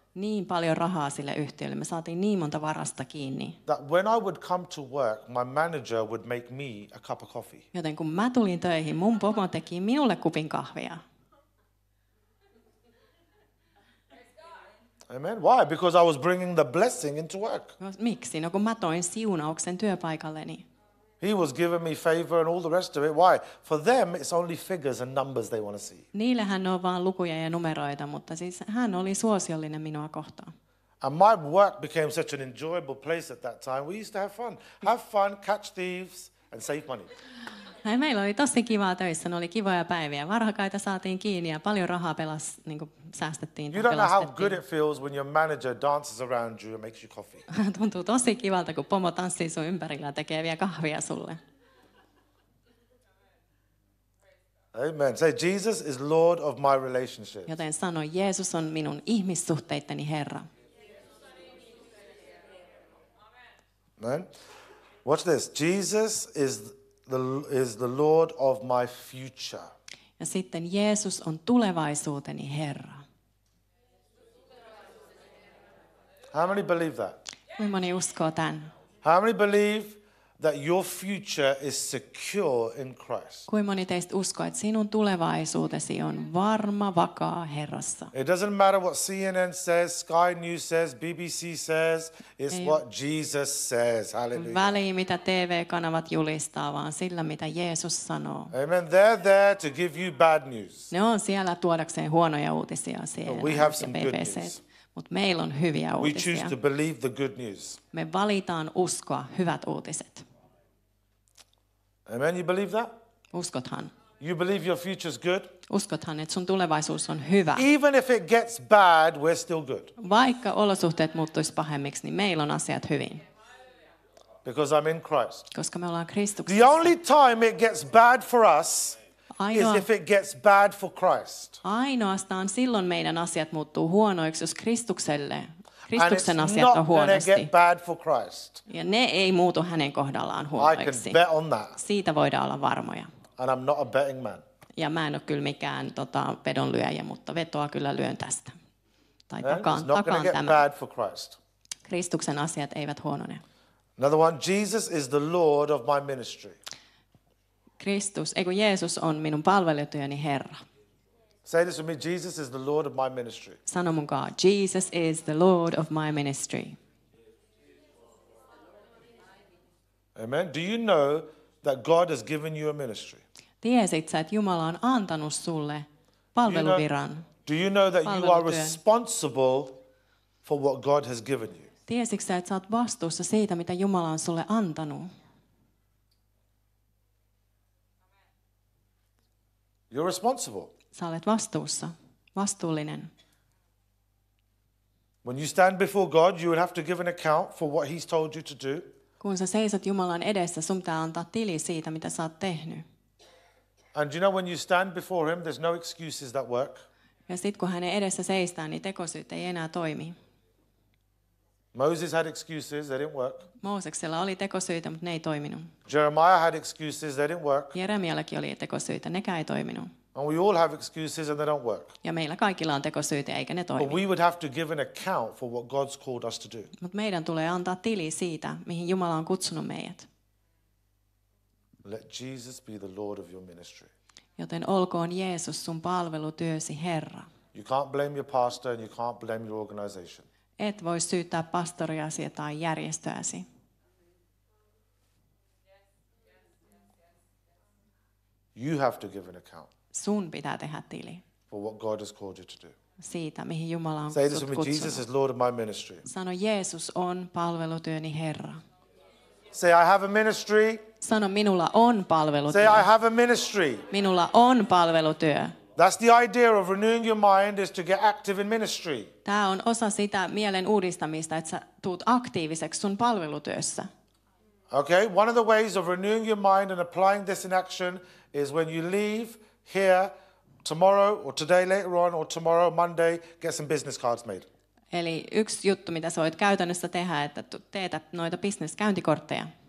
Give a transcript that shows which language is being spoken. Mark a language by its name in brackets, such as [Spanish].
[Finnish] Niin paljon rahaa sille yhtiölle, me saatiin niin monta varasta kiinni. [English] That when I would come to work, my manager would make me a cup of coffee. [Finnish] Joten kun mä tulin töihin, mun pomo teki minulle kupin kahvia. [English] Amen. Why? Because I was bringing the blessing into work. [Finnish] Miksi? No kun mä toin siunauksen työpaikalleni. [English] He was giving me favor and all the rest of it. Why? For them, it's only figures and numbers they want to see. [Finnish] Niillähän on vaan lukuja ja numeroita, mutta siis hän oli suosiollinen minua kohtaan. [English] And my work became such an enjoyable place at that time. We used to have fun. Have fun, catch thieves, and save money. [Finnish] Ai, meillä oli tosi kivaa töissä, ne oli kivoja päiviä. Varhakaita saatiin kiinni ja paljon rahaa säästettiin. [English] You don't know how good it feels when your manager dances around you and makes you coffee. [Finnish] Tuntuu tosi kivalta, kun pomo tanssii sun ympärillä ja tekee vielä kahvia sulle. [English] Amen. Say, Jesus is Lord of my relationships. [Finnish] Joten sano, Jeesus on minun ihmissuhteitteni Herra. [English] Amen. Watch this. Jesus is the Lord of my future. [Finnish] Ja sitten Jeesus on tulevaisuuteni Herra. [English] How many believe that? [Finnish] Kuinka moni uskoo tämän? [English] How many believe that your future is secure in Christ? [Finnish] Kuinka moni teistä uskoo, että sinun tulevaisuutesi on varma, vakaa Herrassa? [English] It doesn't matter what CNN says, Sky News says, BBC says, it's what Jesus says. Hallelujah. [Finnish] Väliä, mitä TV-kanavat julistaa, vaan sillä, mitä Jeesus sanoo. [English] Amen. They're there to give you bad news. [Finnish] Ne on siellä tuodakseen huonoja uutisia siellä. [English] But we have some good news. [Finnish] Mut meillä on hyviä uutisia. [English] We choose to believe the good news. [Finnish] Me valitaan uskoa hyvät uutiset. [English] Amen, you believe that? [Finnish] Uskothan. [English] You believe your future is good? [Finnish] Uskothan, että sun tulevaisuus on hyvä. [English] Even if it gets bad, we're still good. [Finnish] Vaikka olosuhteet muuttuisi pahemmiksi, niin meillä on asiat hyvin. [English] Because I'm in Christ. [Finnish] Koska me ollaan Kristuksessa. [English] The only time it gets bad for us is if it gets bad for Christ. [Finnish] Ainoastaan silloin meidän asiat muuttuu huonoiksi, jos Kristukselle. Kristuksen asiat on huonosti. [English] And it's not gonna get bad for Christ. [Finnish] Ja ne ei muutu hänen kohdallaan huonoiksi. [English] I can bet on that. [Finnish] Siitä voidaan olla varmoja. [English] And I'm not a betting man. [Finnish] Ja mä en ole kyllä mikään vedonlyöjä, mutta vetoa kyllä lyön tästä. Tai takaan tämän. [English] Bad for Christ. [Finnish] Kristuksen asiat eivät huonone. [English] Another one, Jesus is the Lord of my ministry. [Finnish] Kristus, eikö Jeesus on minun palvelutyöni Herra. [English] Say this with me, Jesus is the Lord of my ministry. [Finnish] Sano mukaan, [English] Jesus is the Lord of my ministry. Amen. Do you know that God has given you a ministry? [Finnish] Tiesit sä, että Jumala on antanut sulle palveluviran? [English] Do you know that you are responsible for what God has given you? [Finnish] Tiesit sä, että sä oot vastuussa siitä, mitä Jumala on sulle antanut? [English] You're responsible. [Finnish] Sä olet vastuussa. Vastuullinen. [English] When you stand before God, you will have to give an account for what he's told you to do. [Finnish] Kun sä seisot Jumalan edessä, sun pitää antaa tili siitä, mitä sä oot tehnyt. [English] And you know when you stand before him, there's no excuses that work. [Finnish] Ja sit kun hänen edessä seistään, niin tekosyyt ei enää toimi. [English] Moses had excuses, they didn't work. [Finnish] Mooseksella oli tekosyitä, mutta ne ei toiminut. [English] Jeremiah had excuses, they didn't work. [Finnish] Jeremiallakin oli tekosyitä, nekään ei toiminut. [English] And we all have excuses and they don't work. [Finnish] Ja meillä kaikilla on tekosyitä, eikä ne toimi. [English] But we would have to give an account for what God's called us to do. [Finnish] Mut meidän tulee antaa tili siitä, mihin Jumala on kutsunut meidät. [English] Let Jesus be the Lord of your ministry. [Finnish] Joten olkoon Jeesus sun palvelutyösi Herra. [English] You can't blame your pastor and you can't blame your organization. [Finnish] Et voi syyttää pastoriasi tai järjestöäsi. [English] You have to give an account. [Finnish] Sun pitää tehdä tili. [English] For what God has called you to do. [Finnish] Siitä, mihin Jumala on sut kutsunut. [English] Jesus is Lord of my ministry. [Finnish] Sano, Jeesus on palvelutyöni Herra. [English] Say, I have a ministry. [Finnish] Sano, minulla on palvelutyö. [English] Say, I have a ministry. [Finnish] Minulla on palvelutyö. [English] That's the idea of renewing your mind is to get active in ministry. [Finnish] Tämä on osa sitä mielen uudistamista, että sä tuut aktiiviseksi sun palvelutyössä. [English] Okay, one of the ways of renewing your mind and applying this in action is when you leave here tomorrow or today later on or tomorrow Monday, get some business cards made. [Finnish] Eli yksi juttu, mitä sä voit käytännössä tehdä, että teetä noita business-käyntikortteja.